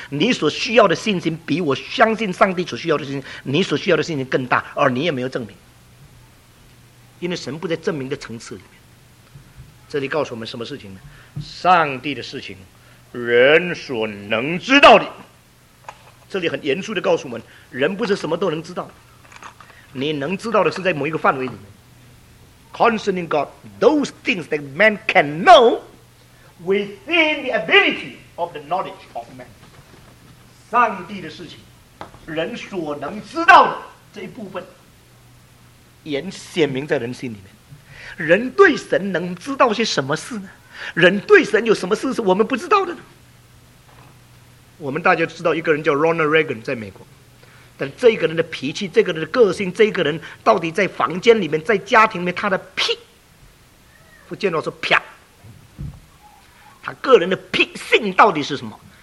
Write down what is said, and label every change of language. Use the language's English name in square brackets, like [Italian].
[Chinese] 你所需要的信心比我相信上帝所需要的信心，你所需要的信心更大，而你也没有证明，因为神不在证明的层次里面。这里告诉我们什么事情呢？上帝的事情人所能知道的。这里很严肃地告诉我们，人不是什么都能知道的，你能知道的是在某一个范围里面。 [English] Concerning God, those things that man can know within the ability of the knowledge of man. [Chinese] 上帝的事情人所能知道的这一部分也显明在人心里面。人对神能知道些什么事呢？人对神有什么事是我们不知道的呢？我们大家知道一个人叫 Ronald Reagan， 在美国，但这个人的脾气，这个人的个性，这个人到底在房间里面，在家庭里面，他的屁不见到说啪，他个人的脾性到底是什么？